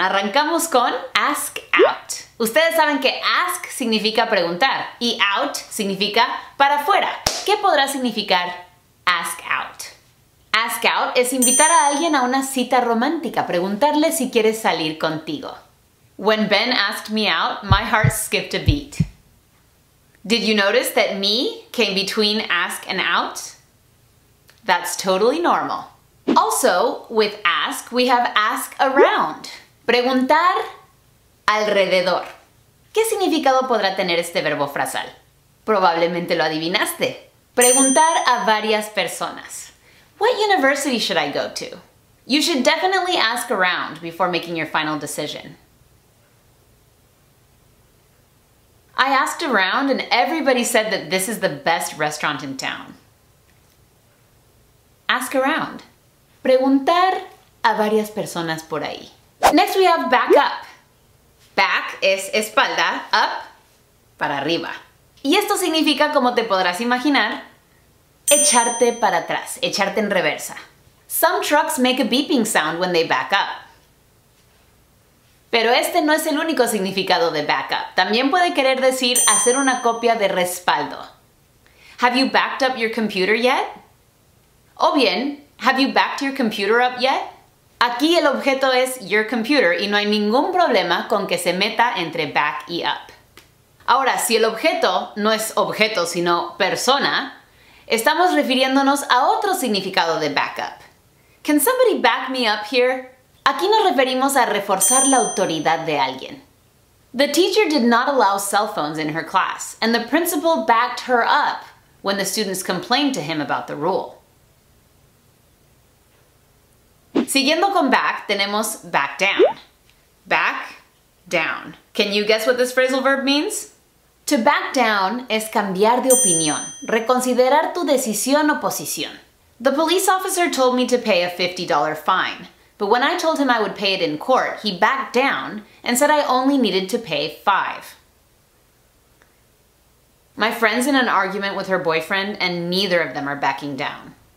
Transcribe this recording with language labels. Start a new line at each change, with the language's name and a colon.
Spanish: Arrancamos con ask out. Ustedes saben que ask significa preguntar y out significa para afuera. ¿Qué podrá significar ask out? Ask out es invitar a alguien a una cita romántica, preguntarle si quiere salir contigo.
English: When Ben asked me out, my heart skipped a beat. Did you notice that me came between ask and out? That's totally normal. Also, with ask, we have ask around.
Spanish: Preguntar alrededor. ¿Qué significado podrá tener este verbo frasal? Probablemente lo adivinaste. Preguntar a varias personas.
English: What university should I go to? You should definitely ask around before making your final decision. I asked around and everybody said that this is the best restaurant in town.
Spanish: Ask around. Preguntar a varias personas por ahí.
English: Next we have back up.
Spanish: Back es espalda, up, para arriba. Y esto significa, como te podrás imaginar, echarte para atrás, echarte en reversa.
English: Some trucks make a beeping sound when they back up.
Spanish: Pero este no es el único significado de backup. También puede querer decir hacer una copia de respaldo.
English: Have you backed up your computer yet?
Spanish: O bien,
English: have you backed your computer up yet?
Spanish: Aquí el objeto es your computer y no hay ningún problema con que se meta entre back y up. Ahora, si el objeto no es objeto sino persona, estamos refiriéndonos a otro significado de backup.
English: Can somebody back me up here?
Spanish: Aquí nos referimos a reforzar la autoridad de alguien.
English: The teacher did not allow cell phones in her class, and the principal backed her up when the students complained to him about the rule.
Spanish: Siguiendo con back, tenemos back down. Back down.
English: Can you guess what this phrasal verb means?
Spanish: To back down es cambiar de opinión, reconsiderar tu decisión o posición.
English: The police officer told me to pay a $50 fine. But when I told him I would pay it in court, he backed down and said I only needed to pay $5. My friend's in an argument with her boyfriend and neither of them are backing down.